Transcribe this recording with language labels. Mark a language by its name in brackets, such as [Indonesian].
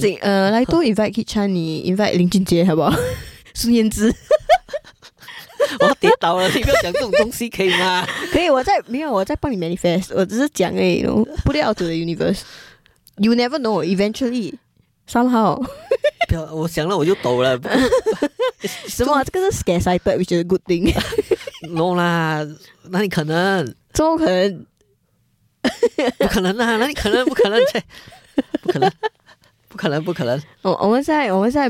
[English] Like, don't invite Kit Chan, you invite Lin Jun Jie, how about? Sun Yanzi. [Chinese] 我要跌倒了，你不要讲这种东西，可以吗？可以，我在帮你 manifest. 我只是讲而已, [English] you know, put it out to the universe. You never know, eventually, somehow. [Chinese] 我想了我就抖了，什么？这个是 [English] scarcity， which is a good thing. [Chinese] No 啦，哪里可能？怎么可能？不可能啊！哪里可能？不可能！不可能！不可能！不可能！不可能！我们现在